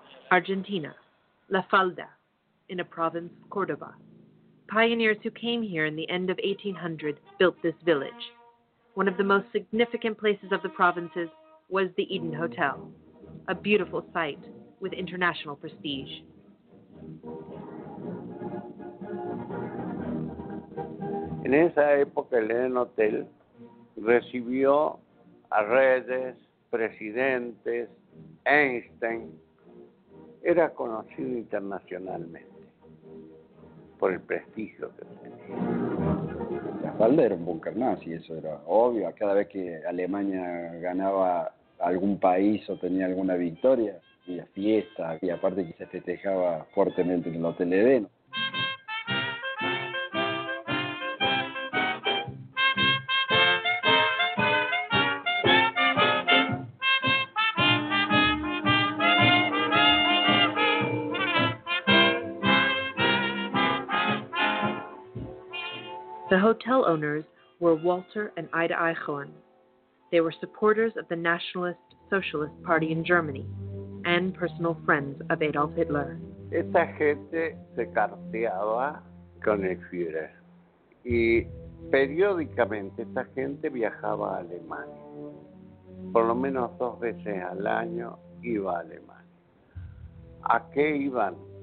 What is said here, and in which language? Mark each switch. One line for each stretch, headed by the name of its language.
English: Argentina, La Falda, in a province, Córdoba. Pioneers who came here in the end of 1800 built this village. One of the most significant places of the provinces was the Eden Hotel, a beautiful site with international prestige.
Spanish: En esa época, el Eden Hotel recibió a reyes, presidentes, Einstein. Era conocido internacionalmente por el prestigio que tenía. La Falda era un búnker nazi, eso era obvio. Cada vez que Alemania ganaba algún país o tenía alguna victoria, había fiesta, y aparte que se festejaba fuertemente en el Hotel Eden.
English: The hotel owners were Walter and Ida Eichhorn. They were supporters of the Nationalist Socialist Party in Germany and personal friends of Adolf Hitler.
Spanish: Esta gente se carteaba con el Führer. Y periódicamente esta gente viajaba a Alemania. Por lo menos 2 veces al año iba a Alemania. ¿A qué iban?